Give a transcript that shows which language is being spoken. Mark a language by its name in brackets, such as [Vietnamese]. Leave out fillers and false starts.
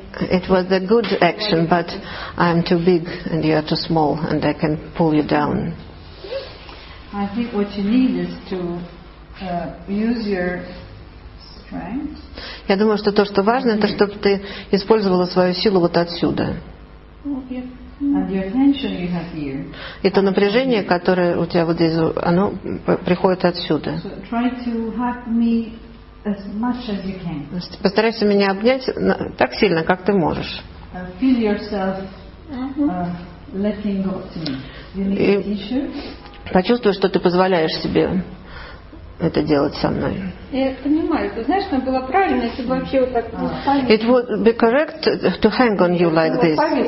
[English] It was a good action, but I am too big and you are too small and I can pull you down. I think what you need is to use your strength. [Russian] Я думаю, что то, что важно, это чтобы ты использовала свою силу вот отсюда. [English] And your tension you have here. [Russian] И то напряжение, которое у тебя вот здесь, оно приходит отсюда. [English] So try to hug me as much as you can. [Russian] Постарайся меня обнять так сильно, как ты можешь. [English] Feel yourself letting go to me. You need a tissue. [Russian] Почувствуй, что ты позволяешь себе это делать со мной. Я понимаю. Ты знаешь, нам было правильно, если бы вообще вот так [English] не It would be correct to hang on you like this.